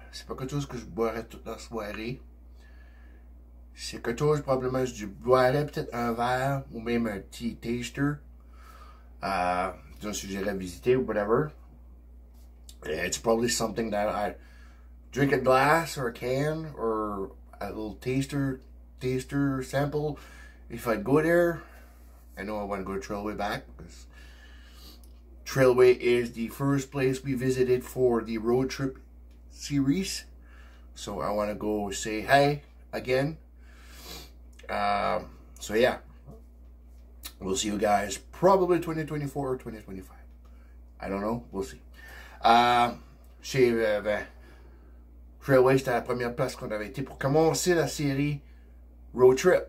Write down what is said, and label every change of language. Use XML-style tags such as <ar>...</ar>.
<fr>C'est pas quelque chose que je boirais toute la soirée. C'est quelque chose, probablement, je boirais peut-être un verre ou même un tea taster. Un sujet à visiter ou whatever.</fr> <en>It's probably something that I drink a glass or a can or a little taster sample. If I go there, I know I want to go to Trailway back because Trailway is the first place we visited for the road trip series. So I want to go say hi again. So yeah, we'll see you guys probably 2024 or 2025. I don't know. We'll see.</en> <fr>Chez Trailway, c'était la première place qu'on avait été pour commencer la série Road Trip.</fr>